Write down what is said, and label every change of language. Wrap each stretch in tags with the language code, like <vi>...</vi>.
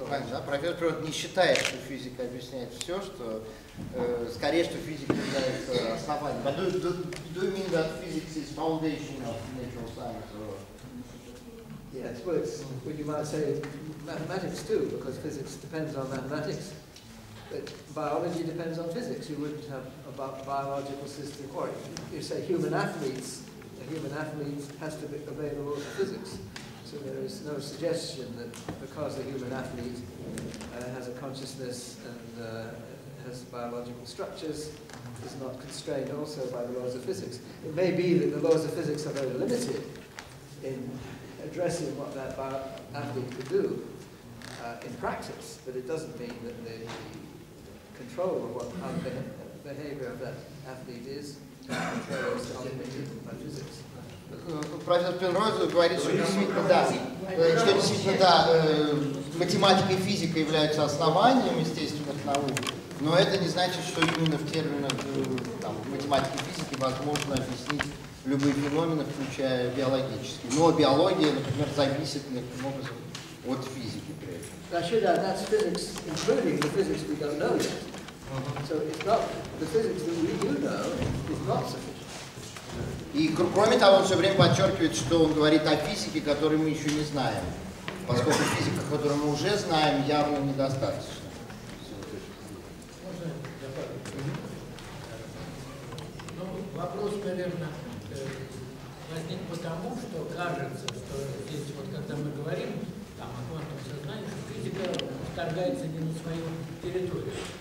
<ru>Да, профессор не считает, что физика объясняет все, что скорее, что физика является основанием.</ru> <en>But do you mean that physics is foundation of natural science? Yes, well, it's what you might say mathematics too, because physics depends on mathematics. But biology depends on physics. You wouldn't have a biological system, or you say human athletes, a human athlete has to be available to physics. So there is no suggestion that because a human athlete has a consciousness and has biological structures, is not constrained also by the laws of physics. It may be that the laws of physics are very limited in addressing what that athlete could do in practice, but it doesn't mean that the control of what behavior of that athlete is controls ultimately by physics.</en> <ru>Профессор Пенроуз говорит, что действительно, да, что действительно, да, математика и физика являются основанием естественных наук, но это не значит, что именно в терминах там, математики и физики возможно объяснить любые феномены, включая биологические. Но биология, например, зависит неким образом от физики.</ru> <en>That's physics, including the physics we don't know yet. So it's not the physics that we do know is not sufficient.</en> <ru>И кроме того, он все время подчеркивает, что он говорит о физике, которую мы еще не знаем. Поскольку физика, которую мы уже знаем, явно недостаточно. Можно добавить? Ну, вопрос Петрова, наверное, относится к тому, что кажется, что здесь вот когда мы говорим там, о квантовом сознании, что физика вторгается не на свою территорию.</ru>